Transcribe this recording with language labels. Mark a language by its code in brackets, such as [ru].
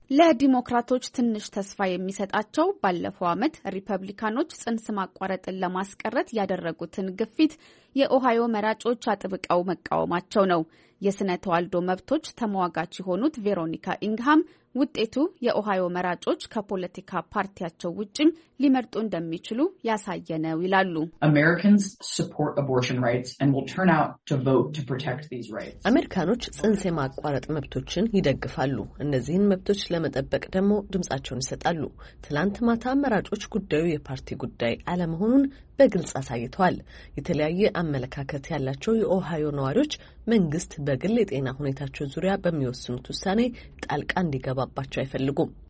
[am] ለዲሞክራቶች ትንሽ ተስፋ የሚሰጣቸው ባለፈው አመት ሪፐብሊካኖች ጽንስ ማቋረጥን ለማስቀረት ያደረጉትን ግፊት የኦሃዮ መራጮች አጥብቀው መቃወማቸው ነው። የስነ ተዋልዶ መብቶች ተሟጋች የሆኑት ቬሮኒካ ኢንግሃም ውጤቱ የኦሃዮ መራጮች ከፖለቲካ ፓርቲያቸው ውጪም ሊመርጡ እንደሚችሉ ያሳየ ነው ይላሉ። [en] Americans support abortion rights and will turn out to vote to protect these rights. [am] አሜሪካኖች ጽንስ ማቋረጥ መብቶችን ይደግፋሉ። እነዚህን መብቶች ለመጠበቅ ደግሞ ድምጻቸውን ይሰጣሉ። ትላንት ማታ መራጮች ጉዳዩ የፓርቲ ጉዳይ አለመሆኑን በግልጽ አሳይቷል። የተለያየ አመለካከት ያላቸው የኦሃዮ ነዋሪዎች መንግስት በግል የጤና ሁኔታቸው ዙሪያ በሚወስኑት ውሳኔ ጣልቃ እንዲገባባቸው አይፈልጉም።